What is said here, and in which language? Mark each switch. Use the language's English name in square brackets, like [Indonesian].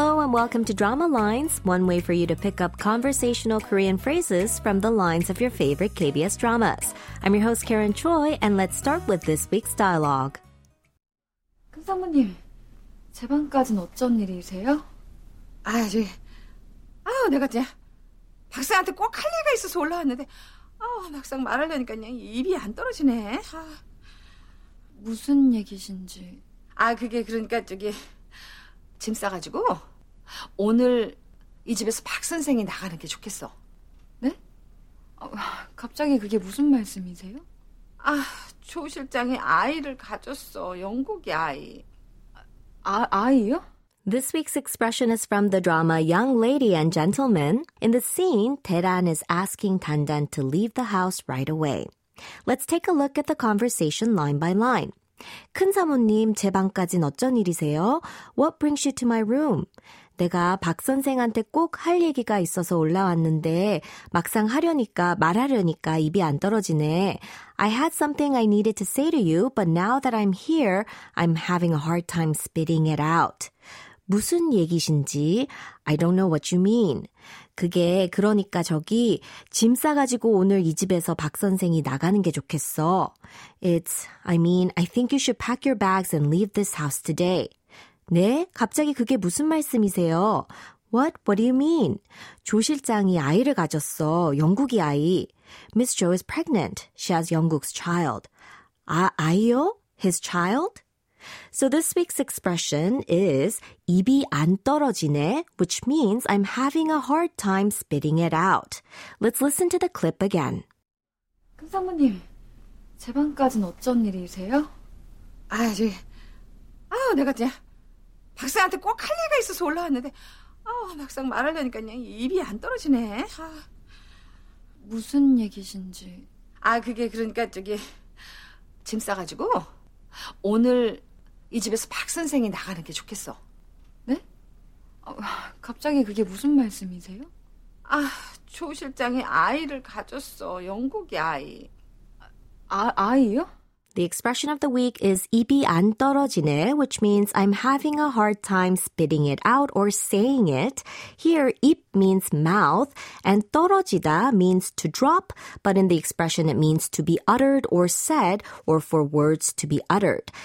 [English] welcome to Drama Lines, one way for you to pick up conversational Korean phrases from the lines of your favorite KBS dramas. I'm your host, Karen Choi, and let's start with this week's dialogue. [Korean] 금 사모님, 제 방까지는 어쩐 일이세요? 내가 이제 박사한테 꼭 할 얘기가 있어서 올라왔는데, 막상 말하려니까 그냥 입이 안 떨어지네. 무슨 얘기신지. 그게 그러니까 저기 짐 싸가지고 오늘 이 집에서 박 선생이 나가는 게 좋겠어. 네? 갑자기 그게 무슨 말씀이세요? 조 실장이 아이를 가졌어. 영국이 아이. 아이요? [English] This week's expression is from the drama Young Lady and Gentleman. In the scene, Taeran is asking Dandan to leave the house right away. Let's take a look at the conversation line by line. [Korean] 큰 사모님, 제 방까지는 어쩐 일이세요? [English] What brings you to my room? [Korean] 내가 박 선생한테 꼭 할 얘기가 있어서 올라왔는데 막상 말하려니까 입이 안 떨어지네. [English] I had something I needed to say to you, but now that I'm here, I'm having a hard time spitting it out. [Korean] 무슨 얘기신지? [English] I don't know what you mean. [Korean] 그게 그러니까 저기 짐 싸가지고 오늘 이 집에서 박 선생이 나가는 게 좋겠어. I think you should pack your bags and leave this house today. 네? 갑자기 그게 무슨 말씀이세요? [English] What do you mean? [Korean] 조 실장이 아이를 가졌어. 영국이 아이. [English] Miss Jo is pregnant. She has 영국's child. [Korean] 아이요? [English] His child? So this week's expression is [Korean] 입이 안 떨어지네, [English] which means I'm having a hard time spitting it out. Let's listen to the clip again. [Korean] 큰 사모님, 제 방까지는 어쩐 일이세요? 내가 이제 박사한테 꼭 할 얘기가 있어서 올라왔는데 막상 말하려니까 그냥 입이 안 떨어지네. 무슨 얘기신지. 그게 그러니까 저기 짐 싸가지고 오늘 이 집에서 박 선생이 나가는 게 좋겠어. 네? 갑자기 그게 무슨 말씀이세요? 조 실장이 아이를 가졌어. 영국이 아이. 아이요? [English] The expression of the week is [Korean] 입이 안 떨어지네, [English] which means I'm having a hard time spitting it out or saying it. Here, 입 means mouth, and 떨어지다 means to drop, but in the expression it means to be uttered or said, or for words to be uttered.